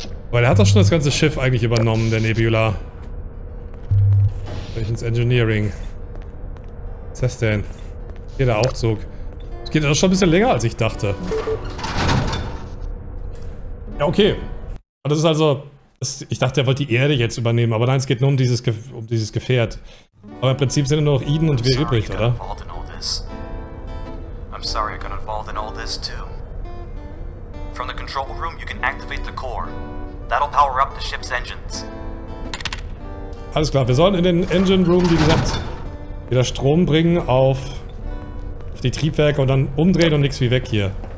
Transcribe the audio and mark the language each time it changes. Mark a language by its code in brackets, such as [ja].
[de] Weil er hat doch schon das ganze Schiff eigentlich übernommen, der Nebula. Welches Engineering? Was ist das denn? Hier der Aufzug. Das geht doch schon ein bisschen länger, als ich dachte. Ja, okay. Das ist also. Ich dachte, er wollte die Erde jetzt übernehmen, aber nein, es geht nur um dieses Gefährt. Aber im Prinzip sind nur noch Eden und wir übrig, oder? [en] I'm sorry I got involved in all this too. From the control room you can activate the core. That'll power up the ship's engines. [de] Alles klar, wir sollen in den Engine Room, wie gesagt, wieder Strom bringen auf die Triebwerke und dann umdrehen und nichts wie weg hier.